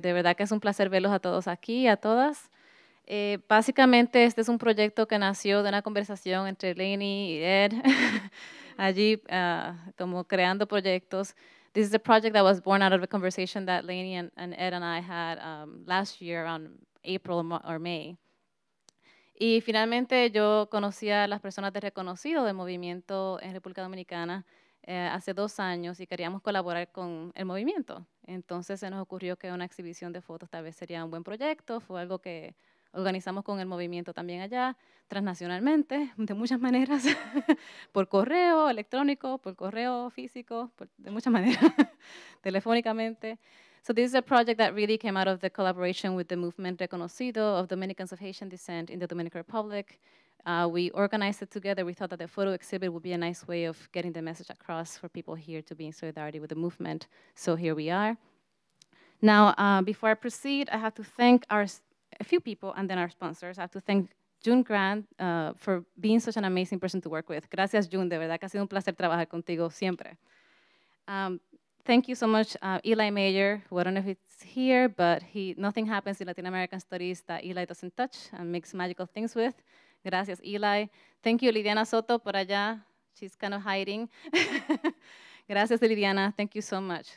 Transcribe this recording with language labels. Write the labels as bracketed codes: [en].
[es] De verdad que es un placer verlos a todos aquí, a todas. Básicamente, este es un proyecto que nació de una conversación entre Lanie y Ed, allí como creando proyectos. [en] This is a project that was born out of a conversation that Lanie and Ed and I had last year around April or May. [es] Y finalmente, yo conocí a las personas de Reconocido del Movimiento en República Dominicana hace dos años y queríamos colaborar con el movimiento. Entonces, se nos ocurrió que una exhibición de fotos tal vez sería un buen proyecto. Fue algo que organizamos con el movimiento también allá, transnacionalmente, de muchas maneras, por correo electrónico, por correo físico, de muchas maneras, telefónicamente. [en] So this is a project that really came out of the collaboration with the movement Reconocido of Dominicans of Haitian Descent in the Dominican Republic. We organized it together. We thought that the photo exhibit would be a nice way of getting the message across for people here to be in solidarity with the movement. So here we are. Now, before I proceed, I have to thank a few people and then our sponsors. I have to thank June Grant for being such an amazing person to work with. Gracias, June. [es] De verdad que ha sido un placer trabajar contigo siempre. [en] Thank you so much, Eli Mayer, who I don't know if he's here, but nothing happens in Latin American studies that Eli doesn't touch and makes magical things with. Gracias, Eli. Thank you, Lidiana Soto, [es] por allá. [en] She's kind of hiding. Gracias, Lidiana. Thank you so much.